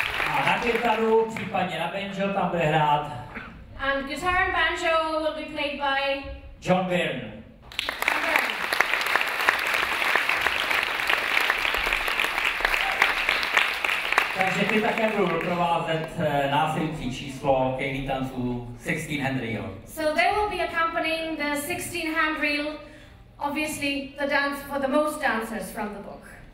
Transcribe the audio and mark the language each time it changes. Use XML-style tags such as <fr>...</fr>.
<cs>A na kytaru, případně na banjo, tam bude hrát.</cs> <en>And guitar and banjo will be played by John Byrne.</en> <cs>Takže ty také budou doprovázet následující číslo Ceilí tanců 16-hand reel.</cs> <en>So they will be accompanying the 16-hand reel, obviously the dance for the most dancers from the book.</en>